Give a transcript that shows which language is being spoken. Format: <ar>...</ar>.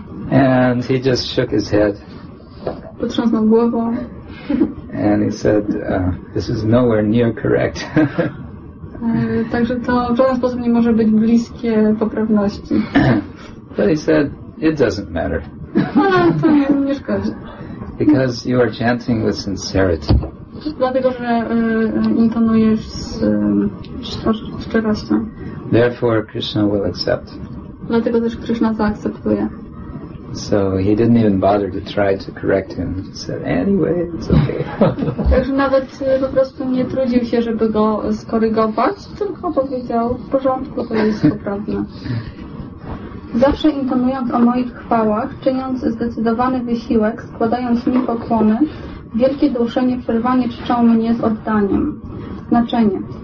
<en>And he just shook his head.</en> <pl>Potrząsnął głową.</pl> <en>And he said, "This is nowhere near correct."</en> <pl>Także to w żaden sposób nie może być bliskie poprawności.</pl> <en>But he said, "It doesn't matter."</en> <pl>Ale to nie szkodzi.</pl> <en>Because you are chanting with sincerity.</en> <pl>Dlatego, że intonujesz z szczerością.</pl> <en>Therefore, Krishna will accept.</en> <pl>Dlatego też Krishna zaakceptuje.</pl> <en>So he didn't even bother to try to correct him. He said, "Anyway, it's okay."</en> <pl>Także nawet po prostu nie trudził się, żeby go skorygować, tylko powiedział, "W porządku, to jest poprawne." Zawsze intonując o moich chwałach, czyniąc zdecydowany wysiłek, składając mi pokłony, wielkie dusze nieprzerwanie czczą mnie z oddaniem. Znaczenie.</pl>